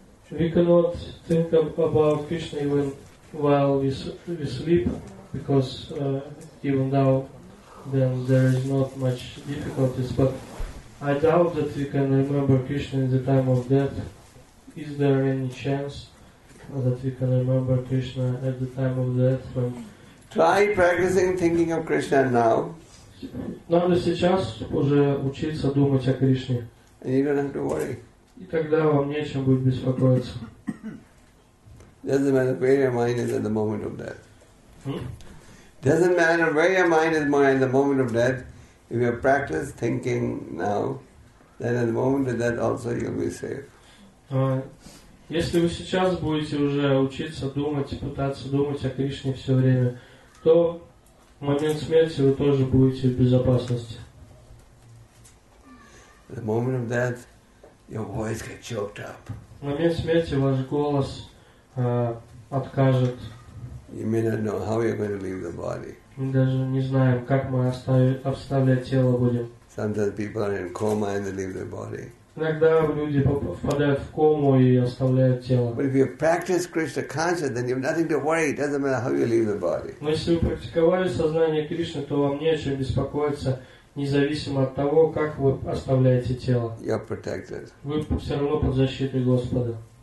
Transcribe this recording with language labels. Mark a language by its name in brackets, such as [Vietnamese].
[English] We cannot think about Krishna even while we sleep, because even now then there is not much difficulties, but I doubt that we can remember Krishna in the time of death. Is there any chance that we can remember Krishna at the time of death? Try practicing thinking of Krishna now. [Russian] Надо сейчас уже учиться думать о Кришне. [English] And you don't have to worry. [Russian] И тогда вам не о чем будет беспокоиться. [English] Doesn't matter where your mind is at the moment of death. Doesn't matter where your mind is more at the moment of death. If you practice thinking now, then at the moment of death also you'll be safe. [Russian] Если вы сейчас будете уже учиться думать, пытаться думать о Кришне все время, то в момент смерти вы тоже будете в безопасности. [English] The moment of death, your voice gets choked up. [Russian] В момент смерти ваш голос откажет. [English] You may not know how you're going to leave the body. [Russian] Мы даже не знаем, как мы оставлять тело будем. [English] Sometimes people are in coma and they leave their body. [Russian] Иногда люди попадают в кому и оставляют тело. [English] But if you practice Krishna consciousness, then you have nothing to worry. It doesn't matter how you leave the body. [Russian] Но если вы практиковали сознание Кришны, то вам не о чем беспокоиться, независимо от того, как вы оставляете тело. [English] You're protected. [Russian] Вы все равно под защитой Господа.